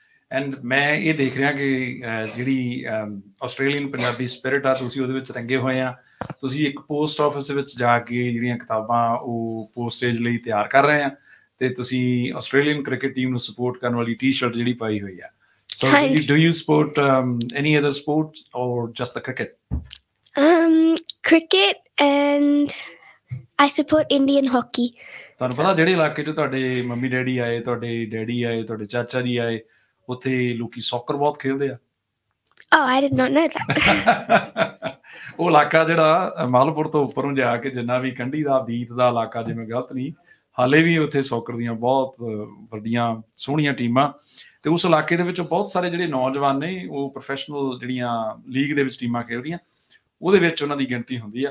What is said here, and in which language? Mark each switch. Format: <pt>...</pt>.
<pa>And ਮੈਂ ਇਹ ਦੇਖ ਰਿਹਾ ਕਿ ਜਿਹੜੀ ਆਸਟ੍ਰੇਲੀਅਨ ਪੰਜਾਬੀ ਸਪਿਰਿਟ ਆ ਤੁਸੀਂ ਉਹਦੇ ਵਿੱਚ ਰੰਗੇ ਹੋਏ ਆ। ਤੁਸੀਂ ਇੱਕ ਪੋਸਟ ਆਫਿਸ ਵਿੱਚ ਜਾ ਕੇ ਜਿਹੜੀਆਂ ਕਿਤਾਬਾਂ ਉਹ ਪੋਸਟੇਜ ਲਈ ਤਿਆਰ ਕਰ ਰਹੇ ਆ, ਤੇ ਤੁਸੀਂ ਆਸਟ੍ਰੇਲੀਅਨ ਕ੍ਰਿਕਟ ਟੀਮ ਨੂੰ ਸਪੋਰਟ ਕਰਨ ਵਾਲੀ ਟੀ ਸ਼ਰਟ ਜਿਹੜੀ ਪਾਈ ਹੋਈ ਆ।</pa> <en>So do you support any other sports or just the cricket? Cricket and I support Indian hockey.</en> <pa>ਤੁਹਾਨੂੰ ਪਤਾ ਜਿਹੜੇ ਇਲਾਕੇ 'ਚ ਤੁਹਾਡੇ ਮੰਮੀ ਡੈਡੀ ਆਏ, ਤੁਹਾਡੇ ਡੈਡੀ ਆਏ, ਤੁਹਾਡੇ ਚਾਚਾ ਜੀ ਆਏ, ਉੱਥੇ ਲੋਕੀ ਸੌਕਰ ਬਹੁਤ ਖੇਡਦੇ ਆ।</pa> <en>Oh, I did not know that.</en> <pa>ਉਹ ਇਲਾਕਾ ਜਿਹੜਾ ਮਾਲਪੁਰ ਤੋਂ ਉੱਪਰੋਂ ਜਾ ਕੇ ਜਿੰਨਾ ਵੀ ਕੰਢੀ ਦਾ ਬੀਤ ਦਾ ਇਲਾਕਾ, ਜੇ ਮੈਂ ਗਲਤ ਨਹੀਂ, ਹਾਲੇ ਵੀ ਉੱਥੇ ਸੌਕਰ ਦੀਆਂ ਬਹੁਤ ਵੱਡੀਆਂ ਸੋਹਣੀਆਂ ਟੀਮਾਂ, ਅਤੇ ਉਸ ਇਲਾਕੇ ਦੇ ਵਿੱਚ ਬਹੁਤ ਸਾਰੇ ਜਿਹੜੇ ਨੌਜਵਾਨ ਨੇ ਉਹ ਪ੍ਰੋਫੈਸ਼ਨਲ ਜਿਹੜੀਆਂ ਲੀਗ ਦੇ ਵਿੱਚ ਟੀਮਾਂ ਖੇਡਦੀਆਂ ਉਹਦੇ ਵਿੱਚ ਉਹਨਾਂ ਦੀ ਗਿਣਤੀ ਹੁੰਦੀ ਆ।</pa>